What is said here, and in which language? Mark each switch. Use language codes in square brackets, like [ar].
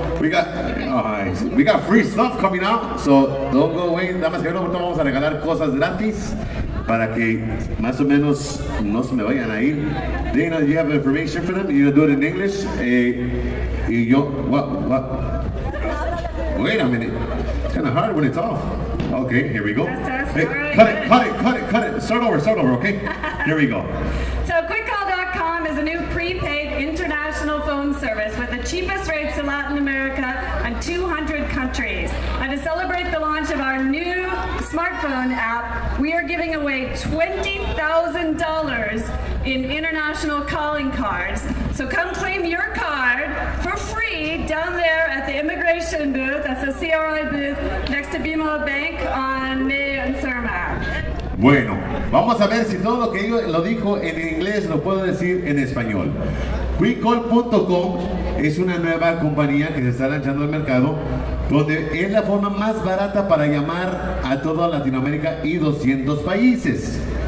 [en] We got free stuff coming up, so don't go away. [es] Damas y caballeros, ahorita vamos a regalar cosas gratis para que más o menos no se me vayan a ir. [en] Dana, you have information for them? You're gonna do it in English? [es] Y yo, [en] what? Wait a minute. It's kind of hard when it's off. Okay, here we go. Cut it. Start over, okay? Here we go. So QuickCall.com is a new prepaid international phone service with the cheapest rates in Latin America and 200 countries. And to celebrate the launch of our new smartphone app, we are giving away $20,000 in international calling cards. So come claim your card for free down there at the immigration booth. That's the CRI booth next to BMO Bank on Mayo and Cermak. [es] Bueno, vamos a ver si todo lo que yo lo dijo en inglés lo puedo decir en español. QuickCall.com es una nueva compañía que se está lanzando al mercado, donde es la forma más barata para llamar a toda Latinoamérica y 200 países.